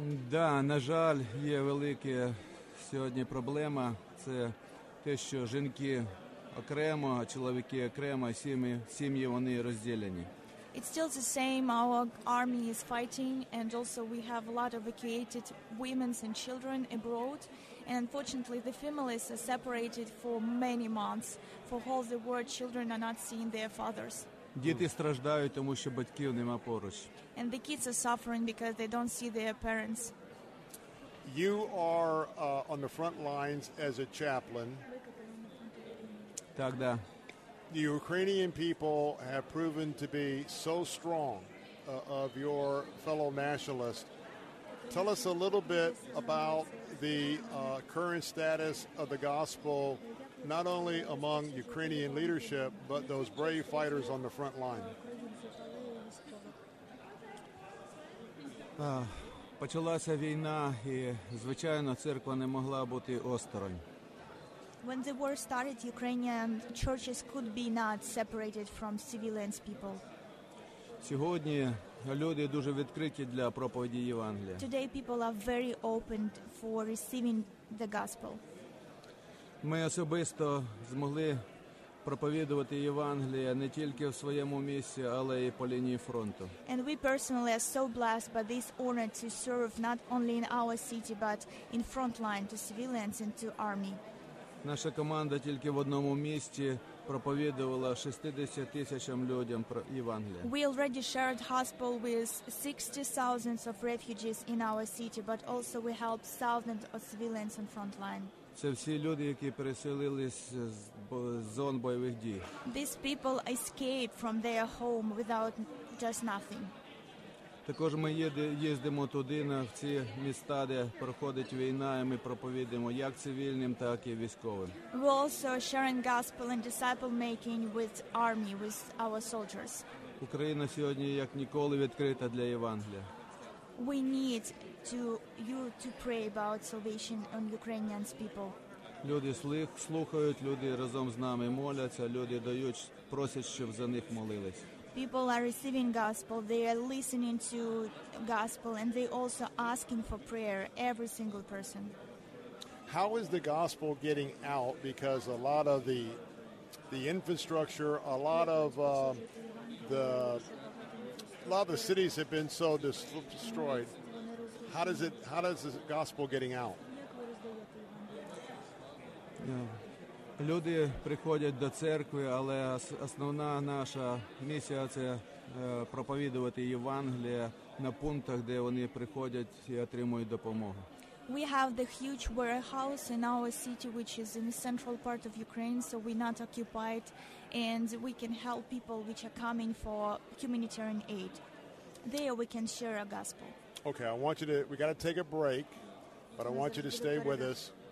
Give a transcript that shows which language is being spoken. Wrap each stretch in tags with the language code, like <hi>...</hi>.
<uk>Да, на жаль, є велика сьогодні проблема. Це те, що жінки окремо, а чоловіки окремо, сім'ї вони розділені.</uk> <en>It's still the same. Our army is fighting, and also we have a lot of evacuated women and children abroad. And unfortunately, the families are separated for many months. For all the world, children are not seeing their fathers.</en> <uk>Діти страждають, тому що батьків нема поруч.</uk> <en>And the kids are suffering because they don't see their parents. You are on the front lines as a chaplain.</en> <uk>Так, да.</uk> <en>The Ukrainian people have proven to be so strong of your fellow nationalists. Tell us a little bit about the current status of the gospel, not only among Ukrainian leadership, but those brave fighters on the front line.</en> <uk>Почалася війна, і, звичайно, церква не могла бути осторонь.</uk> <en>When the war started, Ukrainian churches could be not separated from civilians people.</en> <uk>Сьогодні люди дуже відкриті для проповіді Євангелія.</uk> <en>Today people are very open for receiving the gospel.</en> <uk>Ми особисто змогли проповідувати Євангелія не тільки в своєму місці, але й по лінії фронту.</uk> <en>And we personally are so blessed by this honor to serve not only in our city, but in front line to civilians and to army.</en> <uk>Наша команда тільки в одному місті проповідувала 60 тисячам людям про Євангелія.</uk> <en>We already shared gospel with 60,000 of refugees in our city, but also we helped thousands of civilians on front line.</en> <uk>Це всі люди, які переселились з зон бойових дій.</uk> <en>These people escaped from their home without just nothing.</en> <uk>Також ми їздимо туди, на ці міста, де проходить війна, і ми проповідуємо як цивільним, так і військовим.</uk> <en>We're also sharing gospel and disciple making with army, with our soldiers.</en> <uk>Україна сьогодні як ніколи відкрита для Євангелія.</uk> <en>We need to you to pray about salvation on Ukrainian people.</en> <uk>Люди слухають, люди разом з нами моляться, люди дають, просять, щоб за них молились.</uk> <en>People are receiving gospel, they are listening to gospel, and they also asking for prayer, every single person. How is the gospel getting out? Because a lot of the infrastructure, a lot of the cities have been so destroyed. How does the gospel getting out? Yeah.</en> <uk>Люди приходять до церкви, але основна наша місія – це проповідувати Євангелія на пунктах, де вони приходять і отримують допомогу.</uk> <en>We have the huge warehouse in our city, which is in the central part of Ukraine, so we're not occupied, and we can help people which are coming for humanitarian aid. There we can share a gospel. Okay, I want you to, we got to take a break, but I want you to stay with us.</en>